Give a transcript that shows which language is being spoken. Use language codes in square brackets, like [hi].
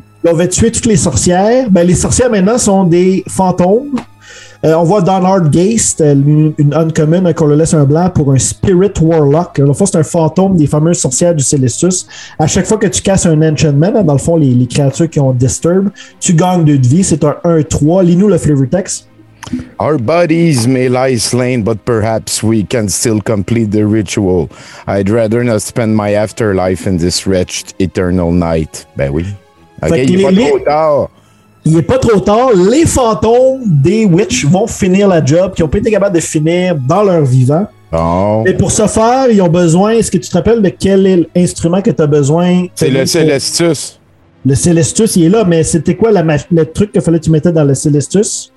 [fr] Elle avait tué toutes les sorcières. Ben, les sorcières, maintenant, sont des fantômes. On voit Donard Geist, une uncommon, un colorless, un blanc, pour un Spirit Warlock. Dans le fond, c'est un fantôme des fameuses sorcières du Celestus. À chaque fois que tu casses un enchantment, dans le fond, les créatures qui ont Disturb, tu gagnes 2 de vie. C'est un 1-3. Lis-nous le flavor text. [en] Our bodies may lie slain, but perhaps we can still complete the ritual. I'd rather not spend my afterlife in this wretched eternal night. [fr] Ben oui. Okay, il est pas trop tard. il n'est pas trop tard. Les fantômes des witches vont finir la job qu'ils n'ont pas été capables de finir dans leur vivant. Oh. Mais pour ce faire, ils ont besoin... Est-ce que tu te rappelles de quel est l'instrument que tu as besoin? C'est le Celestus. Le Celestus, il est là, mais c'était quoi le truc que fallait que tu mettais dans le Celestus?